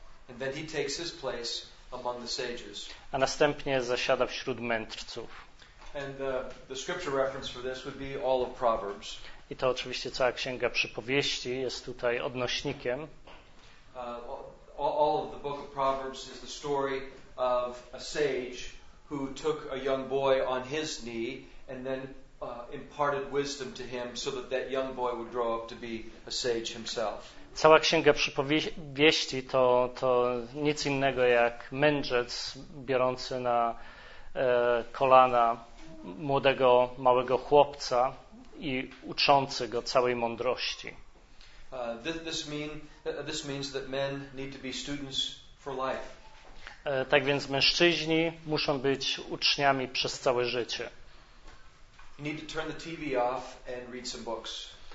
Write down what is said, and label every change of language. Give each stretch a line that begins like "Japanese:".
English: And then he takes his place among the sages.
Polish: A następnie zasiada wśród mędrców.
English: And the scripture reference for this would be all of Proverbs.
Polish: I to oczywiście cała księga przypowieści jest tutaj odnośnikiem.
English: All of the book of Proverbs is the story of a sage who took a young boy on his knee and then imparted wisdom to him so that that young boy would grow up to be a sage himself.
Polish: Cała księga przypowieści to nic innego jak mędrzec biorący na kolana młodego, małego chłopca i uczący go całej mądrości.
English: This means that men need to be students for life.
Polish: Tak więc mężczyźni muszą być uczniami przez całe życie.
English: You need to turn the TV off and read some books.